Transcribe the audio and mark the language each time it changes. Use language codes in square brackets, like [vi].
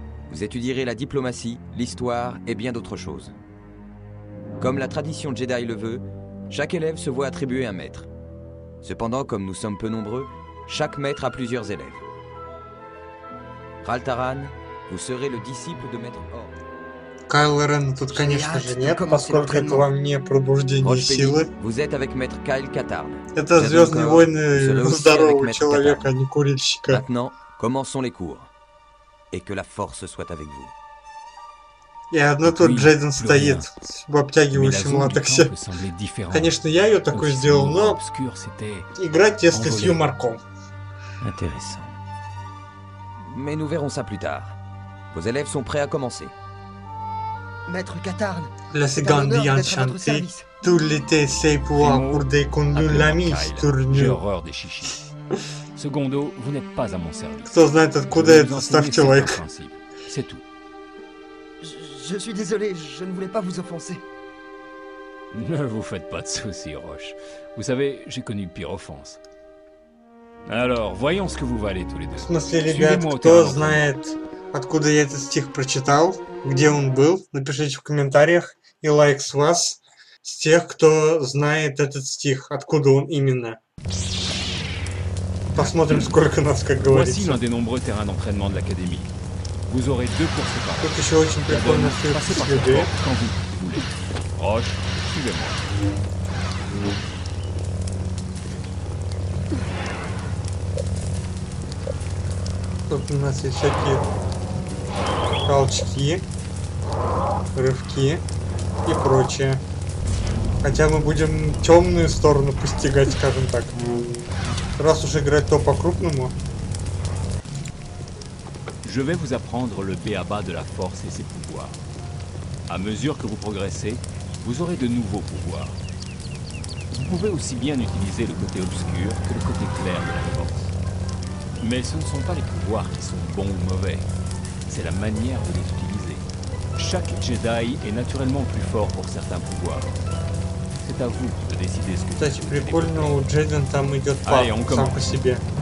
[fr] Vous étudierez la diplomatie, l'histoire et bien d'autres choses. Comme la tradition Jedi le veut, chaque élève se voit attribuer un maître. Cependant, comme nous sommes peu nombreux, chaque maître a plusieurs élèves. Ral Taran, vous serez le disciple de Maître Orr. [ru] Kylo Ren тут, конечно же, нет, поскольку это вам не пробуждение силы. [fr] Vous êtes avec Maître Kyle Katarn. [ru] Это Звездные войны здорового человека, а не курильщика. [fr] Maintenant, commençons les cours. Et que la force soit avec vous. [ru] И одно тут Джейден стоит в обтягивающем латексе. Конечно, я ее такой сделал, но играть, если с юморком. [fr] Intéressant. Mais nous verrons ça plus tard. Vos élèves sont prêts à commencer. Maître Katarn. La seconde est enchantée. Tout l'été, c'est pour des conduits lamis tournus. J'ai horreur des chichis. Secondo, vous n'êtes pas à mon service. [ru] Кто знает, откуда этот старый человек? [fr] C'est tout. Je suis désolé, je ne voulais pas vous offenser. Ne vous faites pas de soucis, Roche. Vous savez, j'ai connu pire offense. Alors, voyons ce que vous valez tous les deux. [ru] В смысле, ребят, кто знает, откуда я этот стих прочитал, где он был, напишите в комментариях и лайк с вас. С тех, кто знает этот стих, откуда он именно. Посмотрим, сколько нас, как говорится. [fr] Voici l'un des nombreux terrains d'entraînement de l'Académie. Vous aurez deux courses par an. [ru] Еще очень прикольно все следует. [fr] Roche, suivez-moi. [ru] Тут у нас есть всякие толчки, рывки и прочее. Хотя мы будем темную сторону постигать, скажем так. Раз уж играть то по-крупному. [fr] Je vais vous apprendre le béaba de la force et ses pouvoirs. À mesure que vous progressez, vous aurez de nouveaux pouvoirs. Vous pouvez aussi bien utiliser le côté obscur que le côté clair de la force. Mais ce ne sont pas les pouvoirs qui sont bons ou mauvais. C'est la manière de les utiliser. Chaque Jedi est naturellement plus fort pour certains pouvoirs. C'est à vous de décider ce que [ru] кстати, прикольно, у Джейден там идет пар сам по себе.